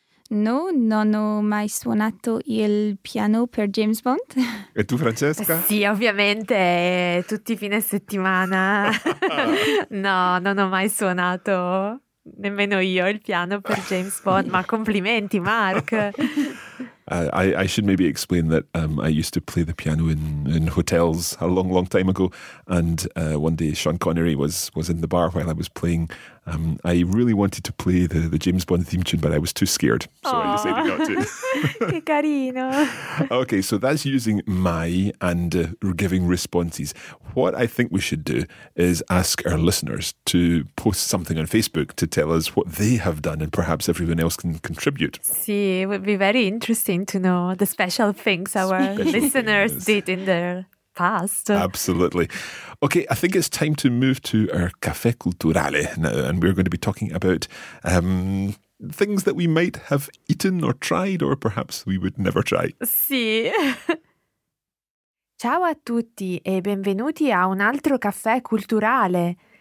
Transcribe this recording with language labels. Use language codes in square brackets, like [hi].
[it] No, non ho mai suonato il piano per James Bond. E tu, Francesca? Sì, ovviamente, tutti i fine settimana. No, non ho mai suonato, nemmeno io, il piano per James Bond. Ma complimenti, Mark! [en] I should maybe explain that I used to play the piano in hotels a long, long time ago. And one day Sean Connery was in the bar while I was playing. I really wanted to play the James Bond theme tune, but I was too scared. So aww, I decided not to. [it] Che carino. [en] Okay, so that's using my and giving responses. What I think we should do is ask our listeners to post something on Facebook to tell us what they have done, and perhaps everyone else can contribute. Sì, it would be very interesting to know the special things our special listeners things did in their past. Absolutely. Okay, I think it's time to move to our Café Culturale now, and we're going to be talking about things that we might have eaten or tried, or perhaps we would never try. [it] Sì. Ciao a tutti e benvenuti a un altro Café Culturale.